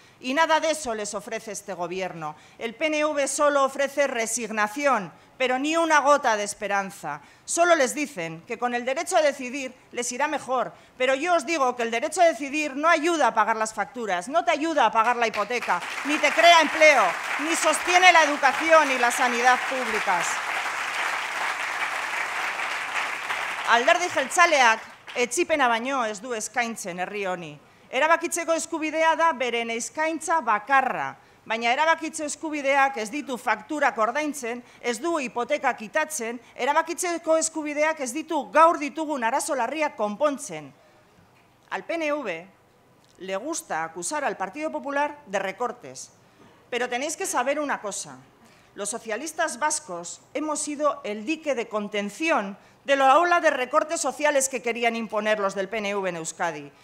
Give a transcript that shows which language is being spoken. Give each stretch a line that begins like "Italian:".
Spanish: Y nada de eso les ofrece este gobierno. El PNV solo ofrece resignación, pero ni una gota de esperanza. Solo les dicen que con el derecho a decidir les irá mejor. Pero yo os digo que el derecho a decidir no ayuda a pagar las facturas, no te ayuda a pagar la hipoteca, ni te crea empleo, ni sostiene la educación y la sanidad públicas.
Basque: Alderdi jeltzaleak etxipena baino ez du eskaintzen herri honi. Erabakitzeko eskubidea da beren eskaintza bakarra, baina erabakitze eskubideak ez ditu fakturak ordaintzen, ez du hipoteka kitatzen, erabakitzeko eskubideak ez ditu gaur ditugun arazo larriak konpontzen.
Spanish: Al PNV le gusta acusar al Partido Popular de recortes, pero tenéis que saber una cosa. Los socialistas vascos hemos sido el dique de contención de la ola de recortes sociales que querían imponer los del PNV en Euskadi.